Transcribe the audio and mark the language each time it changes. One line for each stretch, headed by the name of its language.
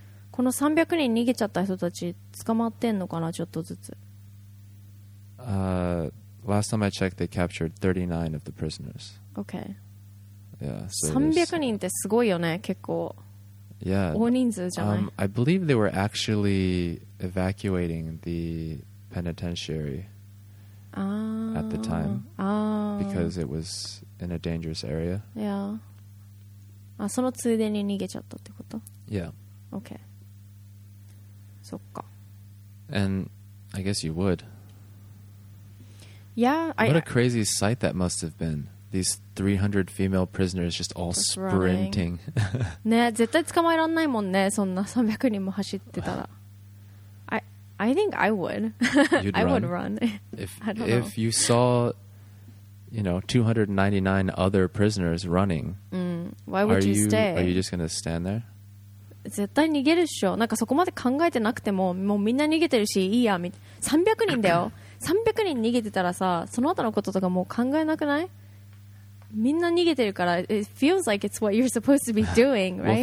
Japanese: この300人逃げちゃった人たち捕まってんのかなちょっとずつ。
English: Last time I checked, they captured 39 of the prisoners. Okay. Yeah. So
Japanese: 300人ってすごいよね結構。
English: Yeah.
Japanese: 大人数じゃない。
English: I believe they were actually evacuating the penitentiary. At the time. Because it was in a dangerous area. Yeah.
Japanese: あそのついでに逃げちゃったってこと
English: Yeah
Japanese: OK そっか
English: And I guess you would Yeah What a crazy sight that must have been These 300 female prisoners just all sprinting
Japanese: ね絶対捕まえらんないもんねそんな300人も走ってたら
English: I think I would I run? would run if you saw you know, 299 other prisoners running. Why would you stay? Are you just going to stand there?
Japanese: 絶対逃げるっしょ。なんかそこまで考えてなくても、もうみんな逃げてるし、いいや。 300人だよ。300人逃げてたらさ、その後のこととかもう考えなくない？みんな逃げてるから、
English: it feels like it's what you're supposed to be doing, right?